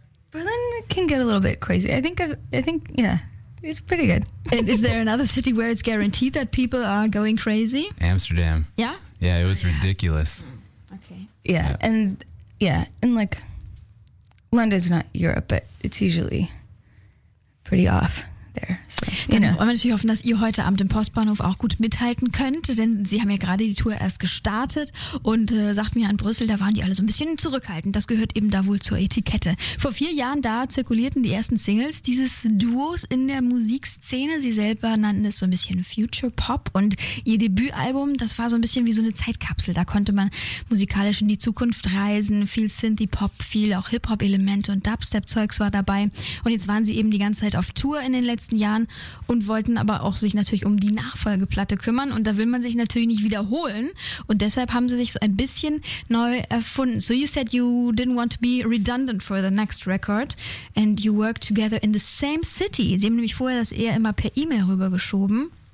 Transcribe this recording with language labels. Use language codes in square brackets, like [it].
[en] Berlin can get a little bit crazy. I think yeah. It's pretty good. And is there another city where it's guaranteed that people are going crazy? Amsterdam. Yeah? Yeah, it was ridiculous. Okay. Yeah. And like London's not Europe, but it's usually pretty off. [de] Wir wollen natürlich hoffen, dass ihr heute Abend im Postbahnhof auch gut mithalten könnt, denn sie haben ja gerade die Tour erst gestartet und sagten ja in Brüssel, da waren die alle so ein bisschen zurückhaltend. Das gehört eben da wohl zur Etikette. Vor 4 Jahren, da zirkulierten die ersten Singles dieses Duos in der Musikszene. Sie selber nannten es so ein bisschen Future Pop und ihr Debütalbum, das war so ein bisschen wie so eine Zeitkapsel. Da konnte man musikalisch in die Zukunft reisen, viel Synthie-Pop, viel auch Hip-Hop-Elemente und Dubstep-Zeugs war dabei. Und jetzt waren sie eben die ganze Zeit auf Tour in den letzten Jahren und wollten aber auch sich natürlich um die Nachfolgeplatte kümmern und da will man sich natürlich nicht wiederholen und deshalb haben sie sich so ein bisschen neu erfunden. [en] So you said you didn't want to be redundant for the next record and you work together in the same city. [de] Sie haben nämlich vorher das eher immer per E-Mail rübergeschoben.